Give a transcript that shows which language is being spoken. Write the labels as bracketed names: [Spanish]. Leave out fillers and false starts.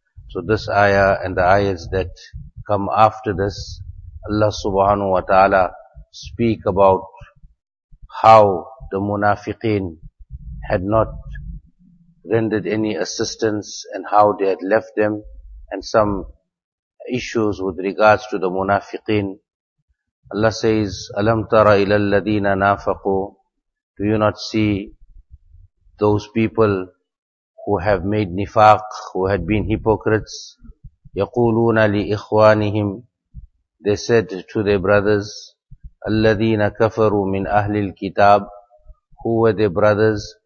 [English] So this ayah and the ayahs that come after this, Allah subhanahu wa ta'ala speak about how the munafiqeen had not rendered any assistance and how they had left them, and some issues with regards to the munafiqeen. Allah says, [Arabic] أَلَمْ تَرَ إِلَى الَّذِينَ نَافَقُوا. [English] Do you not see those people who have made nifaq, who had been hypocrites? [Arabic] يَقُولُونَ لِإِخْوَانِهِمْ. [English] They said to their brothers, [Arabic] الَّذِينَ كَفَرُوا مِنْ أَهْلِ الْكِتَابِ. [English] Who were their brothers?